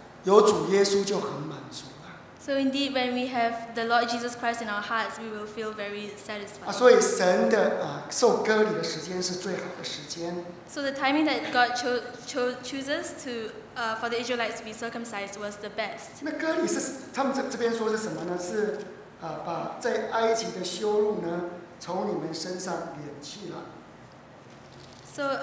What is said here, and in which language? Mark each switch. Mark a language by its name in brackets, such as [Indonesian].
[Chinese] 其实啊，真的，我们的心啊，有主耶稣就很满足了。So [English] indeed, when we have the Lord Jesus Christ in our hearts, we will feel very satisfied. [Chinese] 所以神的受割礼的时间是最好的时间。So [English] the timing that God chooses to for the Israelites to be circumcised was the best. [Chinese] 那割礼是他们这边说是什么呢？是把在埃及的羞辱呢，从你们身上敛去了。So